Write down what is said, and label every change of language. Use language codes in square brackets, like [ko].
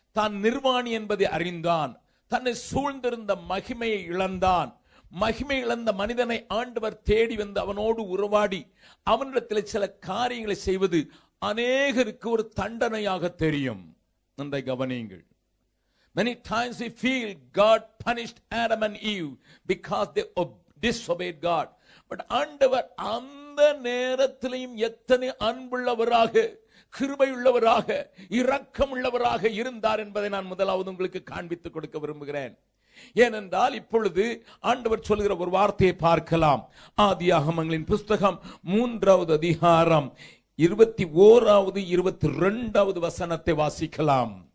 [ta] தான் நிர்வாணி என்பதை அறிந்தான். தன்னை சூழ்ந்திருந்த மகிமையை இழந்தான். மகிமை இழந்த மனிதனை ஆண்டவர் தேடி வந்து அவனோடு உறவாடி அவனிடத்தில் சில காரியங்களை செய்வது அநேகருக்கு ஒரு தண்டனையாக தெரியும். நன்றாய் கவனியுங்கள். [en] Many times we feel God punished Adam and Eve because they disobeyed God. [ta] But ஆண்டவர் அந்த நேரத்திலையும் எத்தனை அன்புள்ளவராக, கிருபையுள்ளவராக, இரக்கமுள்ளவராக இருந்தார் என்பதை நான் முதலாவது உங்களுக்கு காண்பித்துக் கொடுக்க விரும்புகிறேன். ஏனென்றால் இப்பொழுது ஆண்டவர் சொல்கிற ஒரு வார்த்தையை பார்க்கலாம். ஆதியாகமங்களின் புஸ்தகம் 3வது அதிகாரம் 21வது 22வது வசனத்தை வாசிக்கலாம்.